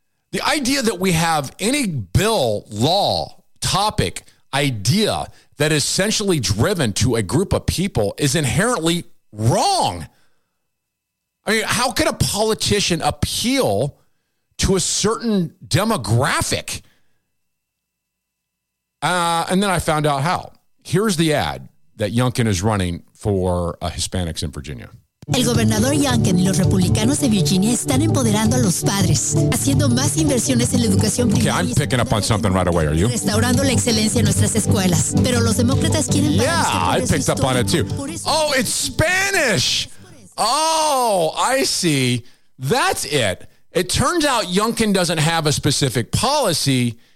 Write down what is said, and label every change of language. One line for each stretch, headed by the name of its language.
English: The idea that we have any bill, law, topic, idea that is essentially driven to a group of people is inherently wrong. I mean, how could a politician appeal to a certain demographic? And then I found out how. Here's the ad that Youngkin is running for Hispanics in Virginia.
Spanish: El gobernador Youngkin y los republicanos de Virginia están empoderando a los padres, haciendo más inversiones en la educación primaria.
English: Okay, I'm picking up on something right away, are you?
Spanish: Restaurando la excelencia en nuestras escuelas. Pero los demócratas quieren...
English: Yeah, I picked up on it too. Oh, it's Spanish! Oh, I see. That's it. It turns out Youngkin doesn't have a specific policy.